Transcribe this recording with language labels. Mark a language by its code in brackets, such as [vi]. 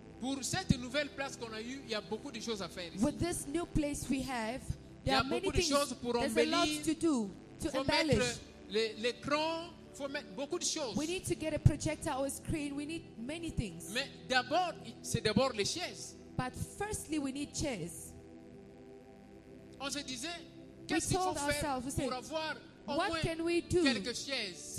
[fr] Pour cette nouvelle place qu'on a eue, il y a beaucoup de choses à faire ici. [en] With this new place we have, there are many things. There's a lot to do to embellish. [fr] Faut mettre l'écran, faut mettre beaucoup de choses. [en] We need to get a projector or a screen. We need many things. [fr] Mais d'abord, c'est d'abord les chaises. [en] But firstly, we need chairs. [fr] On se disait, qu'est-ce qu'il faut faire pour avoir au moins quelques chaises?